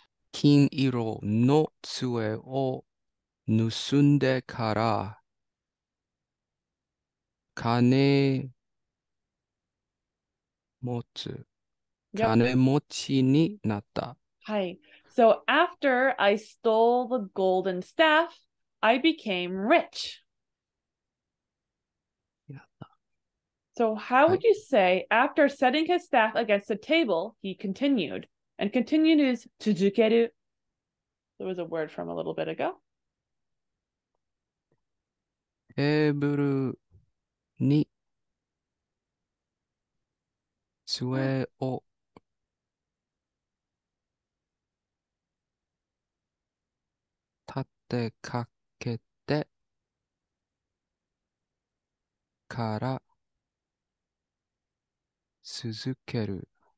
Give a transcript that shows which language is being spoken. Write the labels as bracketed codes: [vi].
[ja] 金色の杖を盗んでから金持つ。 [en] Yep. [ja] 金持ちになった。はい。 [en] So after I stole the golden staff, I became rich. So how would you say, after setting his staff against the table, he continued? And continued is 続ける.There was a word from a little bit ago. [ja] テーブルに杖を立てかけてから続ける。